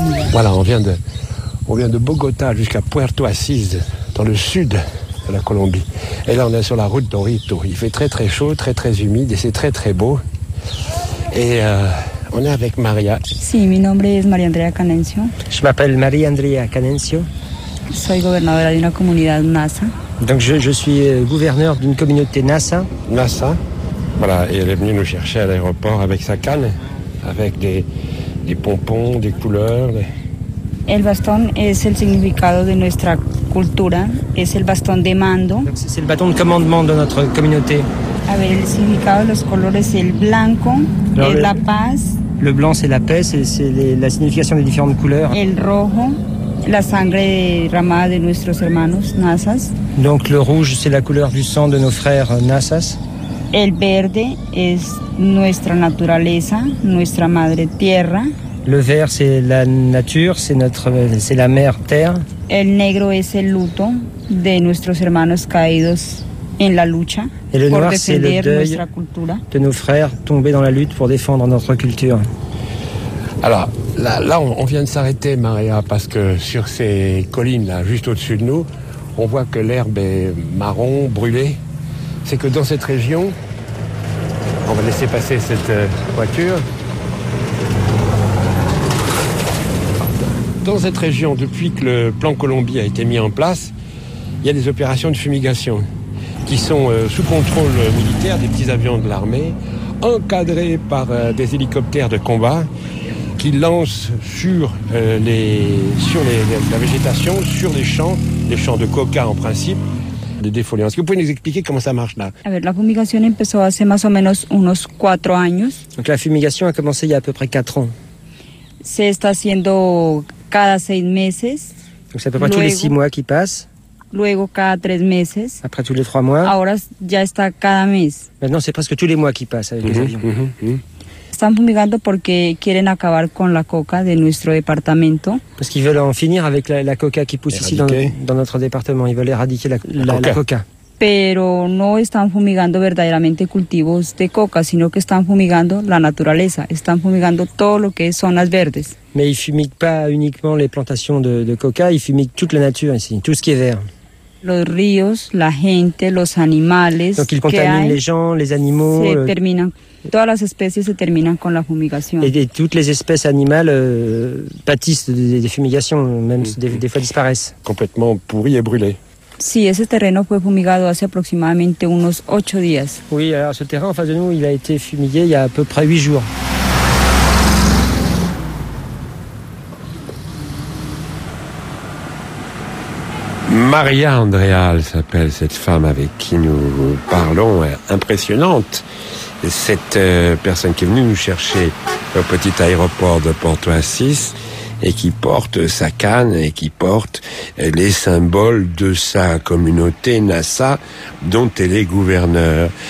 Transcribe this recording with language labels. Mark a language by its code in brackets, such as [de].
[fr] Voilà, on vient de Bogota jusqu'à Puerto Asís, dans le sud de la Colombie. Et là, on est sur la route d'Orito. Il fait très très chaud, très très humide, et c'est très très beau. Et on est avec Maria. [es] Sí, mi nombre es María Andrea Canencio. [fr] Je m'appelle María Andrea Canencio. [es] Soy gobernadora de una comunidad NASA. [fr] Donc je suis gouverneur d'une communauté NASA. NASA, voilà, et elle est venue nous chercher à l'aéroport avec sa canne, avec des pompons, des couleurs. Des... [es] El bastón es el significado de nuestra cultura, es el bastón de mando. [fr] C'est le bâton de commandement de notre communauté. Avec le [es] significado, los colores, el blanco, es la paz. [fr] Le blanc, c'est la paix, c'est la signification des différentes couleurs. [es] El rojo, la sangre derramada de nuestros hermanos, NASAs. [fr] Donc le rouge, c'est la couleur du sang de nos frères NASAs. [es] El verde es nuestra naturaleza, nuestra madre tierra. [fr] Le vert, c'est la nature, c'est la mère terre. [es] El negro es el luto de nuestros hermanos caídos en la lucha. [fr] Et le noir, c'est le deuil de nos frères tombés dans la lutte pour défendre notre culture. Alors, là on vient de s'arrêter, Maria, parce que sur ces collines, là, juste au-dessus de nous, on voit que l'herbe est marron, brûlée. C'est que dans cette région, on va laisser passer cette voiture. Dans cette région, depuis que le plan Colombie a été mis en place, il y a des opérations de fumigation qui sont sous contrôle militaire des petits avions de l'armée, encadrés par des hélicoptères de combat qui lancent sur la végétation, sur les champs de coca en principe, des défoliants. Est-ce que vous pouvez nous expliquer comment ça marche là? [es] A ver, la fumigación empezó hace más o menos unos 4 años. [fr] Donc la fumigation a commencé il y a à peu près 4 ans. [es] Se está haciendo cada 6 meses. [fr] Donc c'est à peu près tous les 6 mois qui passent. [es] Luego cada 3 meses. [fr] Après tous les 3 mois. [es] Ahora ya está cada mes. [fr] Maintenant c'est presque tous les mois qui passent avec les avions. [es] Están fumigando porque quieren acabar con la coca de nuestro departamento. [fr] Parce qu'ils veulent en finir avec la coca qui pousse ici dans notre département. Ils veulent éradiquer la coca. [es] Pero no están fumigando verdaderamente cultivos de coca, sino que están fumigando la naturaleza. Están fumigando todo lo que son las verdes. [fr] Mais ils fumiguent pas uniquement les plantations de coca, ils fumiguent toute la nature ici, tout ce qui est vert. [es] Los ríos, la gente, los animales. [fr] Donc ils contaminent les gens, les animaux. [es] Todas las especies se terminan con la fumigación. [fr] Et toutes les espèces animales pâtissent des fumigations, même des fois disparaissent. Complètement pourries et brûlées. [es] Sí, ese terreno fue fumigado hace aproximadamente unos 8 días. [fr] Oui, alors ce terrain en face de nous, il a été fumigué il y a à peu près 8 jours. Maria Andreal s'appelle cette femme avec qui nous parlons. Impressionnante, cette personne qui est venue nous chercher au petit aéroport de Porto Assis et qui porte sa canne et qui porte les symboles de sa communauté Nassa, dont elle est gouverneure.